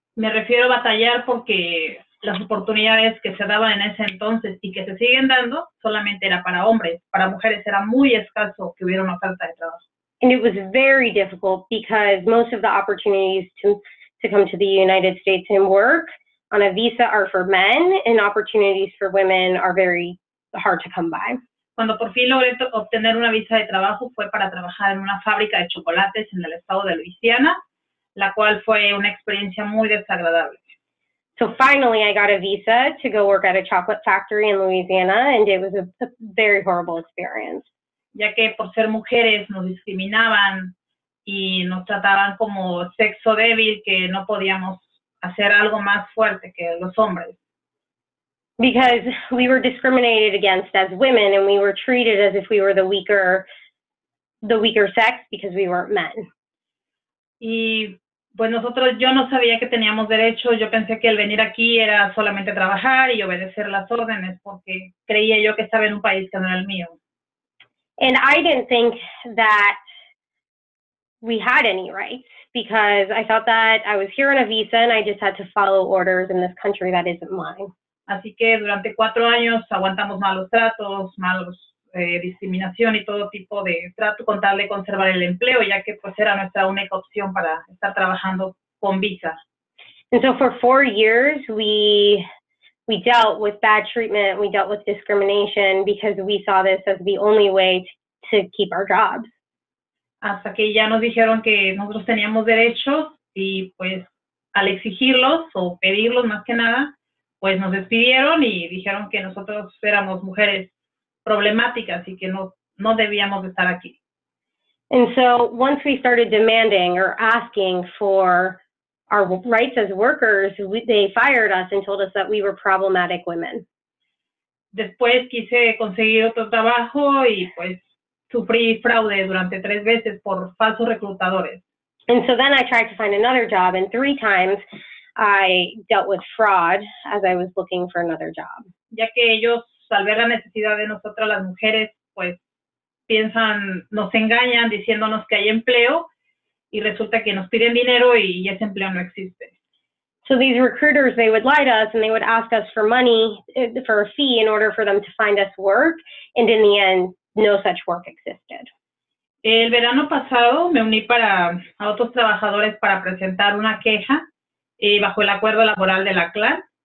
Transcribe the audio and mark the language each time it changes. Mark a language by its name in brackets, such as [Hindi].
[Spanish] Me refiero a batallar porque las oportunidades que se daban en ese entonces y que se siguen dando solamente era para hombres. Para mujeres era muy escaso que hubiera una oferta de trabajo. [English] And it was very difficult because most of the opportunities to come to the United States and work on a visa are for men, and opportunities for women are very hard to come by. [Spanish] Cuando por fin logré obtener una visa de trabajo fue para trabajar en una fábrica de chocolates en el estado de Luisiana, la cual fue una experiencia muy desagradable. [English] So finally I got a visa to go work at a chocolate factory in Louisiana, and it was a very horrible experience. [Spanish] Ya que por ser mujeres nos discriminaban y nos trataban como sexo débil, que no podíamos hacer algo más fuerte que los hombres. [English] Because we were discriminated against as women, and we were treated as if we were the weaker sex because we weren't men. [Spanish] Y pues nosotros, yo no sabía que teníamos derecho, yo pensé que el venir aquí era solamente trabajar y obedecer las órdenes, porque creía yo que estaba en un país que no era el mío. [English] And I didn't think that we had any rights, because I thought that I was here on a visa and I just had to follow orders in this country that isn't mine. [Spanish] Así que durante 4 años aguantamos malos tratos, malos discriminación y todo tipo de trato con tal de conservar el empleo, ya que pues era nuestra única opción para estar trabajando con visa. [English] And so for 4 years we dealt with bad treatment, we dealt with discrimination because we saw this as the only way to keep our jobs. [Spanish] Hasta que ya nos dijeron que nosotros teníamos derechos y pues al exigirlos o pedirlos más que nada, pues nos despidieron y dijeron que nosotros éramos mujeres problemáticas y que no debíamos de estar aquí. [English] And so once we started demanding or asking for our rights as workers, they fired us and told us that we were problematic women. [Spanish] Después quise conseguir otro trabajo y pues sufrí fraude durante 3 veces por falsos reclutadores. [English] And so then I tried to find another job, and 3 times I dealt with fraud as I was looking for another job. [Spanish] Ya que ellos, al ver la necesidad de nosotras las mujeres, pues piensan, nos engañan diciéndonos que hay empleo y resulta que nos piden dinero y ese empleo no existe. [English] So these recruiters, they would lie to us and they would ask us for money, for a fee in order for them to find us work, and in the end, no such work existed. [Spanish] El verano pasado me uní a otros trabajadores para presentar una queja bajo el acuerdo laboral de la CLAN.